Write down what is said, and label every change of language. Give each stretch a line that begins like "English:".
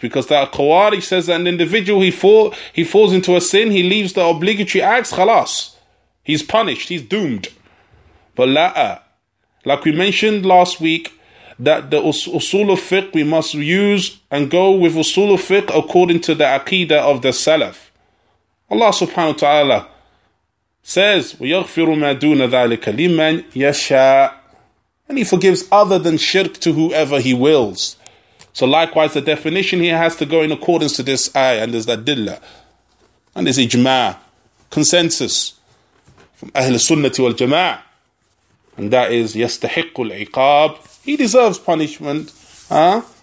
English: Because the khawarij says that an individual, he falls into a sin, he leaves the obligatory acts, khalas. He's punished, he's doomed. But la'a. Like we mentioned last week, that the usul of fiqh, we must use and go with usul of fiqh according to the aqidah of the salaf.
Arabic: Allah subhanahu wa ta'ala says, وَيَغْفِرُ مَا دُونَ ذَٰلِكَ لِمَنْ يَشَاءُ.
English: And he forgives other than shirk to whoever he wills. So likewise, the definition here has to go in accordance to this ayah, and there's that dilla, and there's ijma', consensus from Ahl Sunnati wal Jama'ah. And that is
Arabic: يَسْتَحِقُّ الْعِقَابِ.
English: He deserves punishment. Huh?